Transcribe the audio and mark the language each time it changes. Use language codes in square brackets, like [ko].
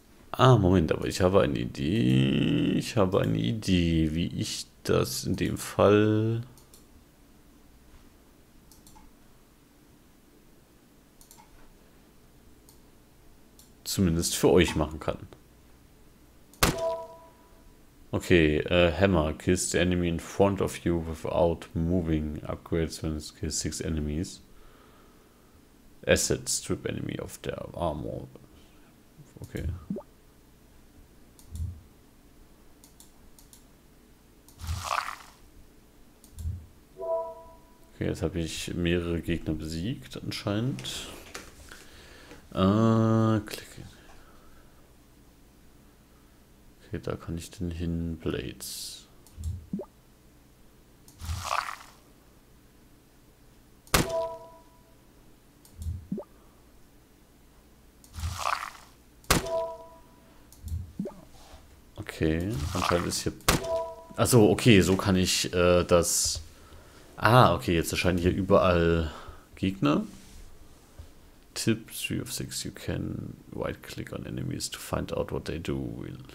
[de] Ah, Moment, aber ich habe eine Idee. Ich habe eine Idee, wie ich das in dem Fall. Zumindest für euch machen kann. [en] Okay, Hammer kills the enemy in front of you without moving. Upgrades when it kills six enemies. Acid strip enemy of their armor. Okay. [de] Jetzt habe ich mehrere Gegner besiegt, anscheinend. Klicke. Okay, da kann ich denn hin. Blades. Okay, anscheinend ist hier. Achso, okay, so kann ich das. Ah, okay, jetzt erscheinen hier überall Gegner. [en] Tipp 3 of 6, you can right-click on enemies to find out what they do.